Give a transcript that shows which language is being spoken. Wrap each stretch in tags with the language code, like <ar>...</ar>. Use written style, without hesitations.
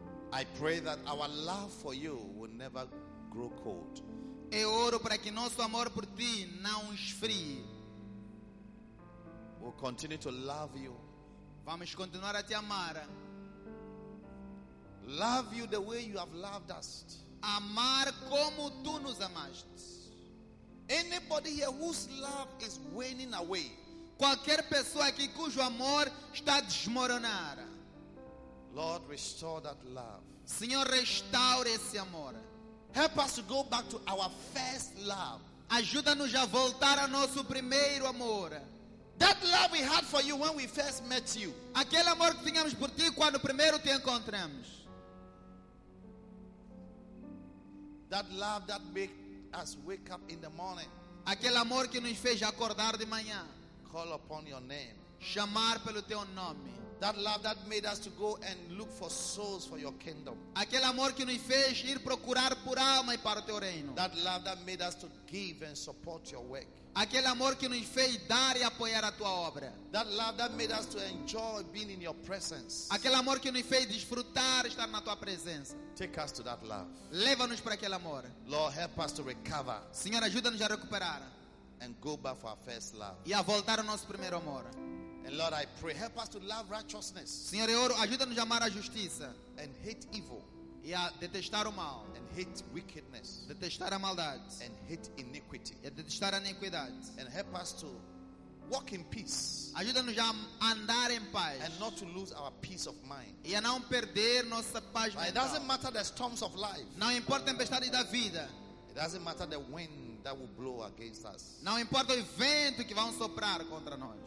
<en>I pray that our love for you will never grow cold.</en> <pt>Eu oro para que nosso amor por ti não esfrie.</pt> <en>We'll continue to love you.</en> <pt>Vamos continuar a te amar.</pt> <en>Love you the way you have loved us.</en> <pt>Amar como tu nos amaste.</pt> <en>Anybody here whose love is waning away.</en> <pt>Qualquer pessoa aqui cujo amor está a desmoronar.</pt> <en>Lord, restore that love.</en> <pt>Senhor, restaure esse amor.</pt> <en>Help us to go back to our first love.</en> <pt>Ajuda-nos a voltar ao nosso primeiro amor.</pt> <en>That love we had for you when we first met you.</en> <pt>Aquele amor que tínhamos por ti quando primeiro te encontramos.</pt> <en>That love that big as wake up in the morning.</en> <pt>Aquele amor que nos fez acordar de manhã.</pt> <en>Call upon your name.</en> <pt>Chamar pelo teu nome.</pt> <en>That love that made us to go and look for souls for your kingdom.</en> <pt>Aquele amor que nos fez ir procurar por alma e para o teu reino.</pt> <en>That love that made us to give and support your work.</en> <pt>Aquele amor que nos fez dar e apoiar a tua obra.</pt> <en>That love that made us to enjoy being in your presence.</en> <pt>Aquele amor que nos fez desfrutar estar na tua presença.</pt> <en>Take us to that love.</en> <pt>Leva-nos para aquele amor.</pt> <en>Lord, help us to recover.</en> <pt>Senhor, ajuda-nos a recuperar.</pt> <en>And go back for our first love.</en> <pt>E a voltar ao nosso primeiro amor.</pt> <en>And Lord, I pray, help us to love righteousness.</en> <pt>Senhor, eu oro, ajuda-nos a amar a justiça.</pt> <en>And hate evil.</en> <pt>E a detestar o mal.</pt> <en>And hate wickedness.</en> <pt>Detestar a maldade.</pt> <en>And hate iniquity.</en> <pt>E a detestar a iniquidade.</pt> <en>And help us to walk in peace.</en> <pt>Ajuda-nos a andar em paz.</pt> <en>And not to lose our peace of mind.</en> <pt>E a não perder nossa paz mental.</pt> <en>It doesn't matter the storms of life.</en> <pt>Não importa a tempestade da vida.</pt> <en>It doesn't matter the wind that will blow against us.</en> <pt>Não importa o vento que vão soprar contra nós.</pt>